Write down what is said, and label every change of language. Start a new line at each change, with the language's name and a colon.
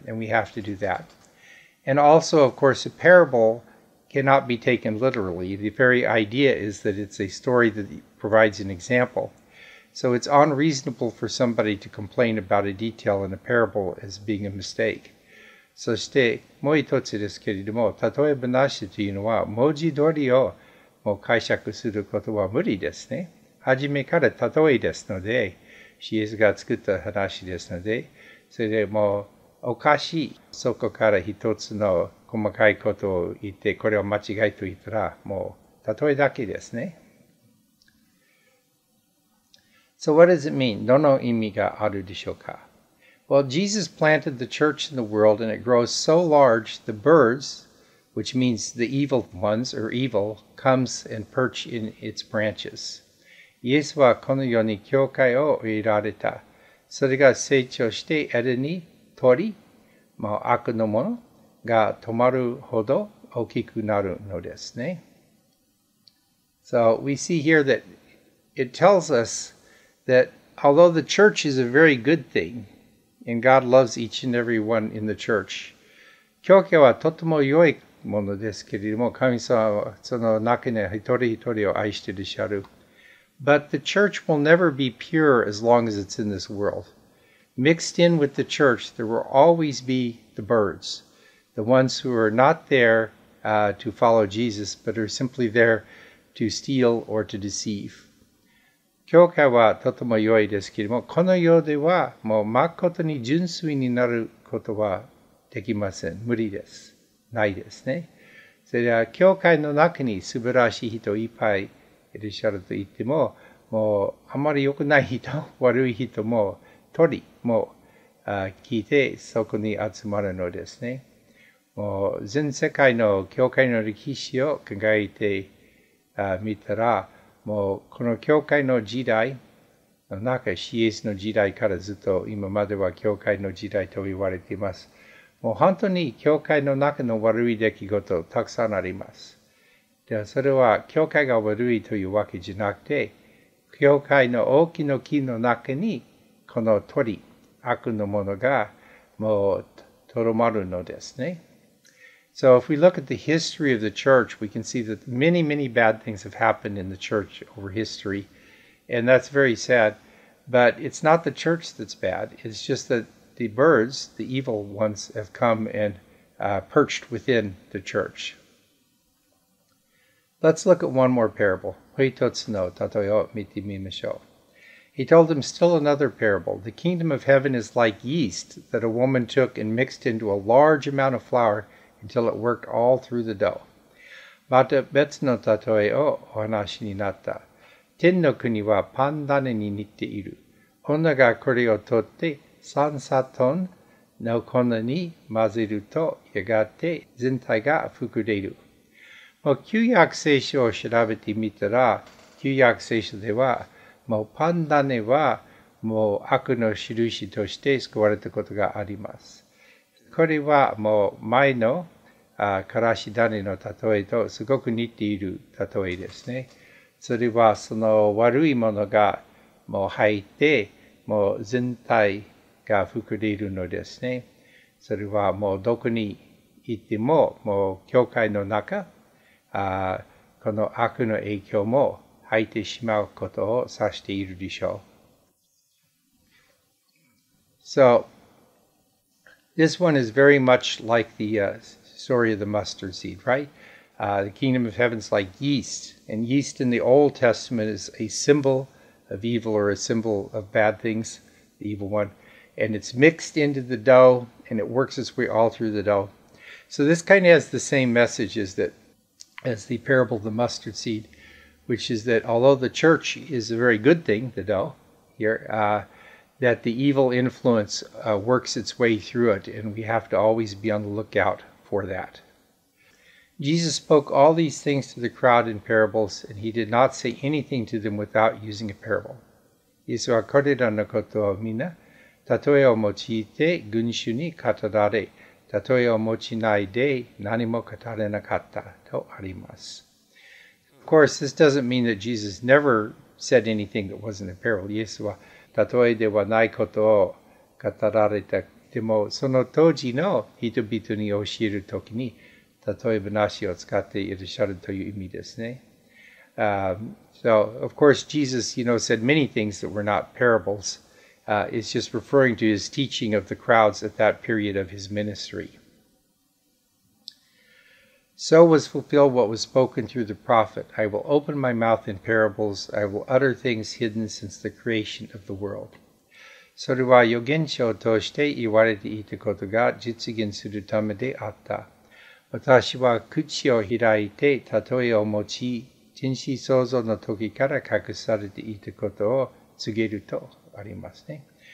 English: And we have to do that. And also, of course, a parable cannot be taken literally. The very idea is that it's a story that provides an example. So it's unreasonable for somebody to complain about a detail in a parable as being a mistake.
Japanese: そしてもう一つですけれども、例え話というのは文字通りをもう解釈することは無理ですね。はじめから例えですので、イエスが作った話ですので、それでもうおかしい。そこから一つの細かいことを言って、これは間違いと言ったらもう例えだけですね。
English: So what does it mean?
Japanese: どの意味があるでしょうか?
English: Well, Jesus planted the church in the world and it grows so large, the birds, which means the evil ones or evil, comes and perch in its branches.
Japanese: イエスはこの世に教会を植えられた。それが成長して枝に鳥、悪のものが止まるほど大きくなるのですね。
English: So we see here that it tells us that although the church is a very good thing, and God loves each and every one in the church,
Japanese: 教会はとても良いものですけれども、神様はその中に一人一人を愛してらっしゃる。
English: But the church will never be pure as long as it's in this world. Mixed in with the church, there will always be the birds, the ones who are not there to follow Jesus, but are simply there to steal or to deceive.
Japanese: 教会はとても良いですけれども、この世ではもう誠に純粋になることはできません。無理です。ないですね。それでは教会の中に素晴らしい人いっぱいいらっしゃると言っても、もうあまり良くない人、悪い人も取り、もう聞いてそこに集まるのですね。もう全世界の教会の歴史を考えてみたら、もうこの教会の時代の中、シエスの時代からずっと今までは教会の時代と言われています。もう本当に教会の中の悪い出来事たくさんあります。ではそれは教会が悪いというわけじゃなくて、教会の大きな木の中にこの鳥、悪のものがもうとどまるのですね。
English: So if we look at the history of the church, we can see that many, many bad things have happened in the church over history. And that's very sad. But it's not the church that's bad. It's just that the birds, the evil ones, have come and perched within the church. Let's look at one more parable. He told them still another parable. The kingdom of heaven is like yeast that a woman took and mixed into a large amount of flour until it worked all through the dough.
Japanese: また別のたとえをお話しになった。天の国はパン種に似ている。女がこれを取って三砂糖の粉に混ぜるとやがて全体が膨れる。もう旧約聖書を調べてみたら、旧約聖書ではもうパン種はもう悪の印として救われたことがあります。これはもう前のからし種の例えとすごく似ている例えですね。それはその悪いものがもう入って、もう全体が膨れるのですね。それはもうどこに行っても、もう教会の中、この悪の影響も入ってしまうことを指しているでしょう。
English: So, this one is very much like the story of the mustard seed, right? The kingdom of heaven is like yeast, and yeast in the Old Testament is a symbol of evil or a symbol of bad things, the evil one. And it's mixed into the dough, and it works its way all through the dough. So this kind of has the same message as the parable of the mustard seed, which is that although the church is a very good thing, the dough here, that the evil influence works its way through it, and we have to always be on the lookout for that. Jesus spoke all these things to the crowd in parables, and he did not say anything to them without using a parable.
Japanese: イエスはこれらのことをみな、たとえを用いて群衆に語られ、たとえを用いないで何も語れなかったとあります。
English: Of course, this doesn't mean that Jesus never said anything that wasn't a parable.
Japanese: イエスはたとえではないことを語られた。でもその当時の人々に教えるときに、例え話を使っていらっしゃるという意味ですね。
English: So, of course, Jesus, you know, said many things that were not parables. It's just referring to his teaching of the crowds at that period of his ministry. So was fulfilled what was spoken through the prophet. I will open my mouth in parables. I will utter things hidden since the creation of the world.
Japanese: それは預言者を通して言われていたことが実現するためであった。私は口を開いて、例えを持ち、人心創造の時から隠されていたことを告げるとありますね。